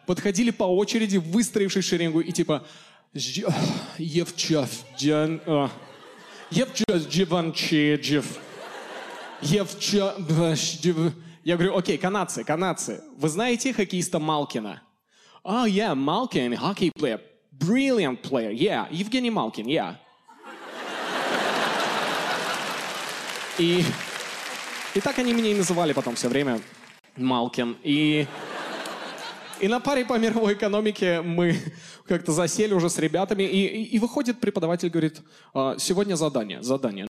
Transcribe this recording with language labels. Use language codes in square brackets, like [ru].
[ru] Подходили по очереди, выстроившись в шеренгу, и типа... Евчавден... Я говорю, окей, канадцы, вы знаете хоккеиста Малкина? [en] Oh, yeah, Malkin, hockey player, brilliant player, yeah, Евгений Малкин, yeah. [ru] И так они меня и называли потом все время, Малкин, И на паре по мировой экономике мы как-то засели уже с ребятами. И выходит преподаватель, говорит, сегодня задание.